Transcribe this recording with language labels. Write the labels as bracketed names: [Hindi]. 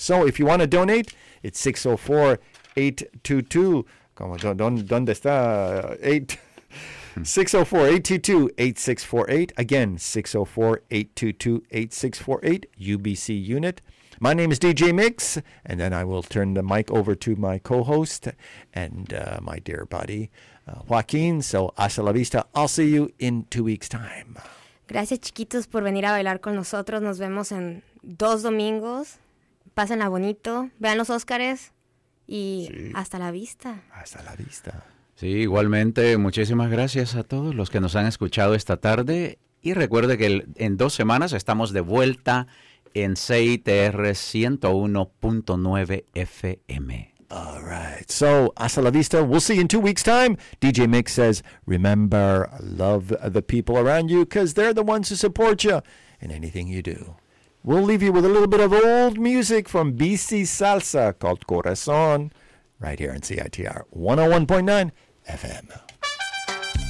[English] So if you want to donate, it's 604-822-8648. Again, 604-822-8648, UBC unit. My name is DJ Mix, and then I will turn the mic over to my co-host and my dear buddy, Joaquin. So, [Spanish] hasta la vista. [English] I'll see you in 2 weeks' time. [Spanish] Gracias, chiquitos, por venir a bailar con nosotros. Nos vemos en dos domingos. Pásenla bonito. Vean los Óscares. Y sí. Hasta la vista. Hasta la vista. Sí, igualmente, muchísimas gracias a todos los que nos han escuchado esta tarde. Y recuerde que en dos semanas estamos de vuelta en CITR 101.9 FM. [English] All right. So, [Spanish] hasta la vista. [English] We'll see you in 2 weeks' time. DJ Mick says, remember, love the people around you because they're the ones who support you in anything you do. We'll leave you with a little bit of old music from BC Salsa called Corazón right here in CITR 101.9 FM.